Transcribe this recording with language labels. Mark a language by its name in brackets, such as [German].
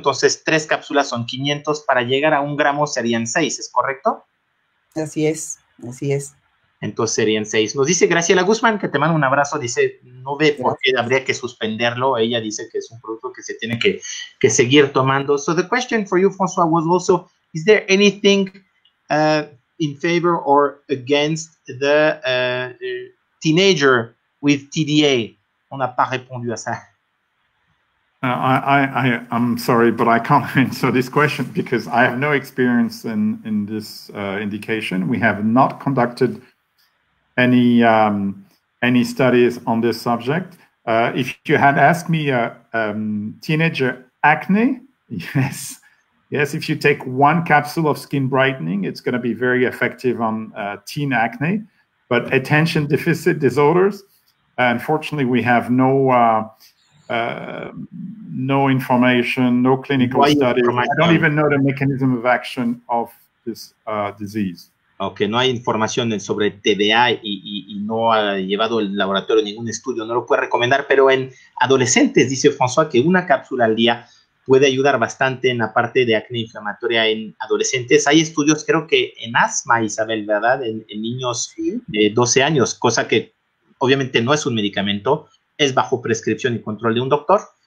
[Spanish] Entonces, tres cápsulas son 500. Para llegar a un gramo serían 6, ¿es correcto? Así es, así es. Entonces serían 6. Nos dice Graciela Guzmán, que te manda un abrazo, dice, no ve por qué habría que suspenderlo. Ella dice que es un producto que se tiene que seguir tomando. [English] So the question for you, François, was also, is there anything in favor or against the teenager with TDA? [French] On n'a pas répondu à ça. [English] I'm sorry, but I can't answer this question because I have no experience in this indication. We have not conducted any studies on this subject. If you had asked me teenager acne, yes. Yes, if you take one capsule of skin brightening, it's going to be very effective on teen acne. But attention deficit disorders, unfortunately, we have no no information, no clinical study. I don't even know the mechanism of action of this disease. [Spanish] Okay, no hay información sobre TDA y no ha llevado el laboratorio ningún estudio. No lo puede recomendar, pero en adolescentes, dice François, que una cápsula al día puede ayudar bastante en la parte de acné inflamatoria en adolescentes. Hay estudios, creo que en asma, Isabel, ¿verdad? En niños de 12 años, cosa que obviamente no es un medicamento, es bajo prescripción y control de un doctor.